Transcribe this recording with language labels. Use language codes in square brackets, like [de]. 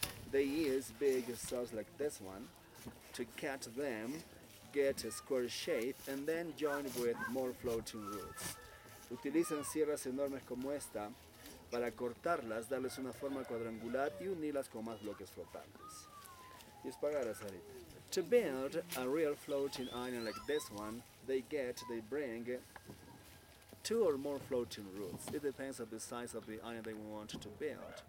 [en] They use big saws like this one to cut them, get a square shape, and then join with more floating roots. [es] Utilizan sierras enormes como esta para cortarlas, darles una forma cuadrangular y unirlas con más bloques flotantes. Y es para hacer esto. [en] To build a real floating island like this one, they bring 2 or more floating roots. It depends on the size of the island they want to build.